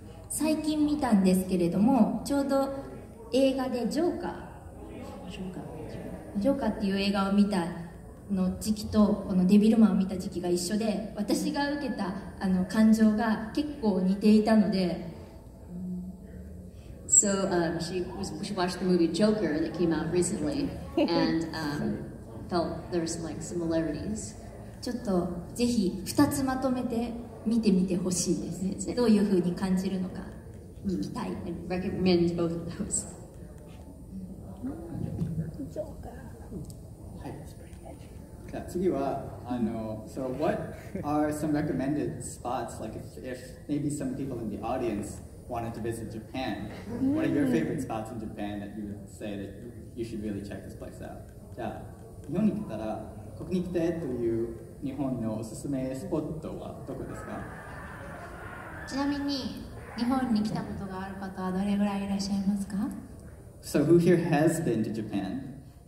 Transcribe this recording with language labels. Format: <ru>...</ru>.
<ja>最近見たんですけれども、ちょうど映画でジョーカー、ジョーカーっていう映画を見たの時期とこのデビルマンを見た時期が一緒で、私が受けた感情が結構似ていたので。</ja> <en>So she watched the movie Joker that came out recently and felt there were some like similarities.</en> <ja>ちょっとぜひ二つまとめて見てみてほしいですね。どういう風に感じるのか聞きたい。</ja> <en>I recommend both of those.</en> <ja>はい。じゃあ次は</ja> <en>so what are some recommended spots like if maybe some people in the audience. Wanted to visit Japan. What are your favorite spots in Japan that you would say that you should really check this place out?</en> <ja>じゃあ、日本に来たらここに来てという日本のおすすめスポットはどこですか？ちなみに日本に来たことがある方はどれぐらいいらっしゃいますか？</ja> <en>So who here has been to Japan?</en>